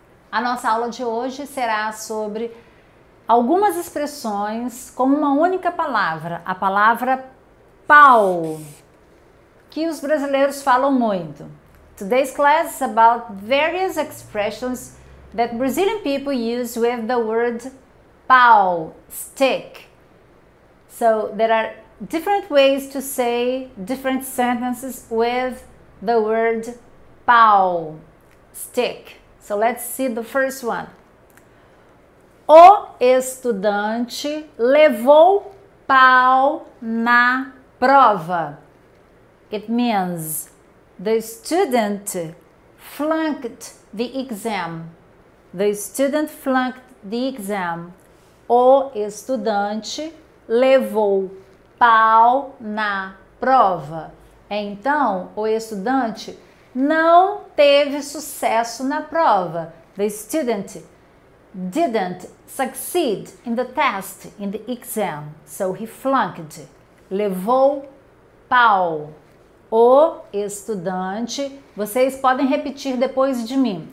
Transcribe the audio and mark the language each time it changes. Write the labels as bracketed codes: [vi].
[pt] A nossa aula de hoje será sobre algumas expressões como uma única palavra, a palavra pau, que os brasileiros falam muito. [en] Today's class is about various expressions that Brazilian people use with the word pau, stick. So there are different ways to say different sentences with the word pau, stick. So let's see the first one. [pt] O estudante levou pau na prova. [en] It means the student flunked the exam. The student flunked the exam. [pt] O estudante levou pau na prova. Então, o estudante não teve sucesso na prova. [en] The student didn't succeed in the test, in the exam. So he flunked. [pt] Levou pau. O estudante, vocês podem repetir depois de mim.